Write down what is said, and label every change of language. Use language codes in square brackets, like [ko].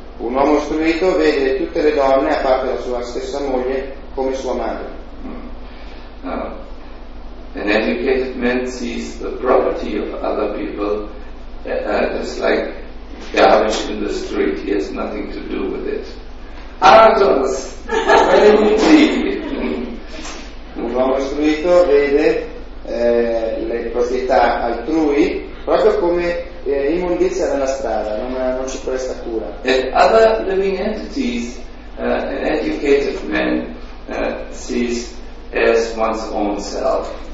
[it] Un uomo istruito vede tutte le donne, a parte la sua stessa moglie, come sua madre. [en] An educated man sees the property of other people just like garbage in the street. He has nothing to do with it. Atoms, vanity. [it] Un uomo istruito vede le proprietà altrui proprio come immondizia nella strada, non ci presta cura. [en] And other living entities, an educated man sees as one's own self.